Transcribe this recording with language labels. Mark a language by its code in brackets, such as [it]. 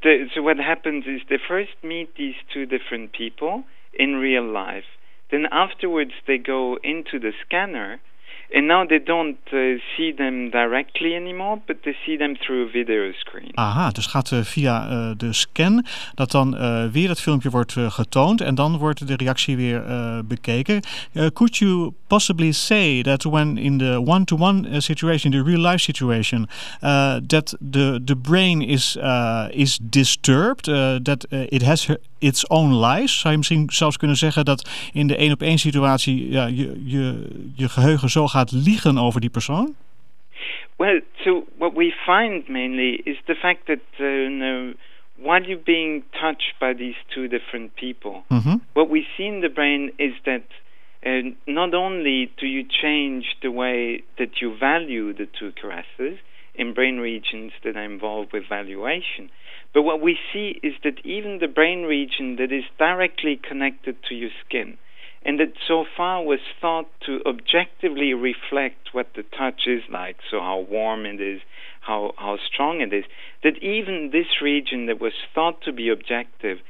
[en] So what happens is they first meet these two different people in real life. Then afterwards they go into the scanner, And now they don't see them directly anymore, but they see them through a video screen. [nl] Aha, dus gaat via de scan dat dan weer het filmpje wordt getoond en dan wordt de reactie weer bekeken. [en] Could you possibly say that when in the one-to-one situation, the real-life situation, that the brain is disturbed, that it has its own lies? [nl] Zou je misschien zelfs kunnen zeggen dat in de één-op-één situatie ja, je geheugen zo gaat liegen over die persoon? [en] Well, so what we find mainly is the fact that while you're being touched by these two different people, mm-hmm. what we see in the brain is that not only do you change the way that you value the two caresses in brain regions that are involved with valuation, but what we see is that even the brain region that is directly connected to your skin, and that so far was thought to objectively reflect what the touch is like, so how warm it is, how strong it is, that even this region that was thought to be objective